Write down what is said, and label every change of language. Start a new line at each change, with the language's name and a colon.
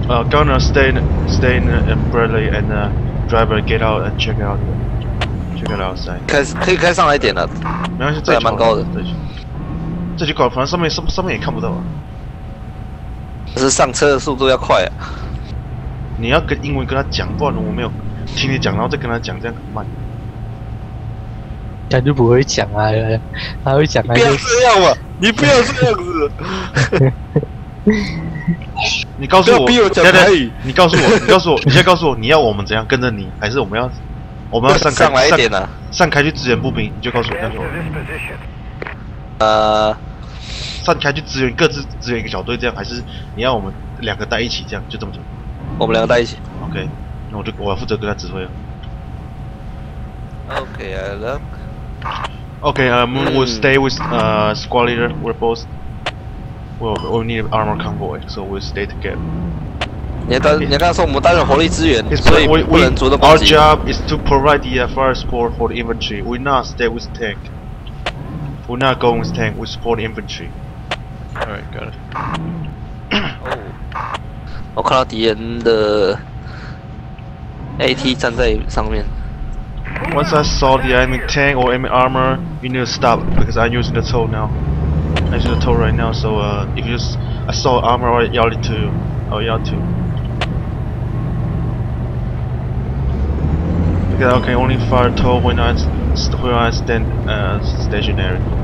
English: Gunner stay in the umbrella and driver get out and check out outside。
Chinese: 可以开上来一点了，没关系，这还蛮高的。这局搞，反正上面也看不到啊。可是上车的速度要快啊！你要跟英文跟他讲，不然我没有听你讲，然后再跟他讲，这样很慢。感觉不会讲啊，他会讲。你不要这样嘛！你不要这样子。你告诉我，你告诉我，你现在告诉我，你要我们怎样跟着你，还是我们要上开去支援步兵？你就告诉我，告诉我。上开去支援各自支援一个小队，这样还是你要我们两个待一起，这样就这么讲。我们两个待一起。 OK， 那我负责跟他指挥了。
English: OK，I look。 Okay, Moon will stay with squad leader. We're both. Well, we need armor convoy, so we'll stay together.
Chinese: 你刚才说我们担任火力支援，所以不能主动攻击。
English: Our job is to provide the fire support for the infantry. We not stay with tank. We not go with tank. We support infantry. Alright, got it.
Chinese: 我看到敌人的 AT 站在上面。
English: Once I saw the enemy tank or enemy armor, you need to stop because I'm using the toll now. I'm using the toll right now, so if you I saw armor, I yelled it to you. I'll yell to you. Because I can only fire toll when I stand stationary.